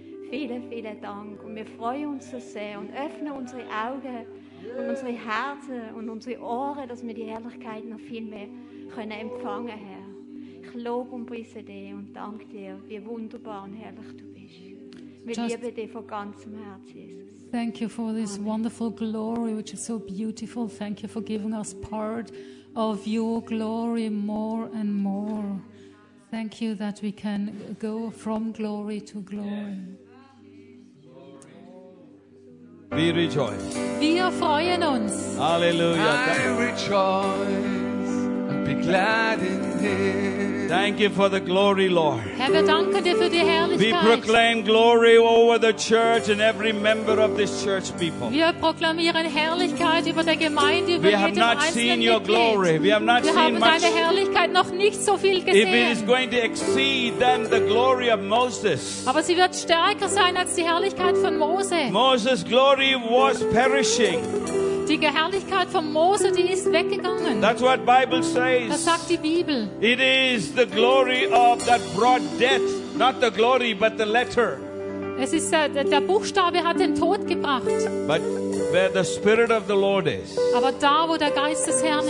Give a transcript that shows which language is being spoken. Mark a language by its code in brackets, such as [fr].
[de] Vielen, vielen Dank. Und wir freuen uns so sehr und öffnen unsere Augen und unsere Herzen und unsere Ohren, dass wir die Herrlichkeit noch viel mehr können empfangen, Herr. Ich lobe und preise dich und danke dir, wie wunderbar und herrlich du bist. Wir lieben dich von ganzem Herzen, Jesus. [en] Thank you for this wonderful glory, which is so beautiful. Thank you for giving us part of your glory more and more. Thank you that we can go from glory to glory. We rejoice. [de] Wir freuen uns. Halleluja. [en] I rejoice and be glad in him. Thank you for the glory, Lord. [de] Herr, danke dir für die Herrlichkeit. [en] We proclaim glory over the church and every member of this church, people. [de] Wir proklamieren Herrlichkeit über der Gemeinde, über jeden einzelnen [en] We have not seen your glory. We have not seen much. [de] Wir haben deine Herrlichkeit noch nicht so viel gesehen. [en] If it is going to exceed than the glory of Moses. [de] Aber sie wird stärker sein als die Herrlichkeit von Mose. [en] Moses' glory was perishing. [de] Die Herrlichkeit von Mose, die ist weggegangen. [en] That's what Bible says. [de] Das sagt die Bibel. [en] It is the glory of that brought death, not the glory, but the letter. [de] Es ist der Buchstabe hat den Tod gebracht. [en] But where the Spirit of the Lord is. [de] Aber da, wo der Geist des Herrn ist.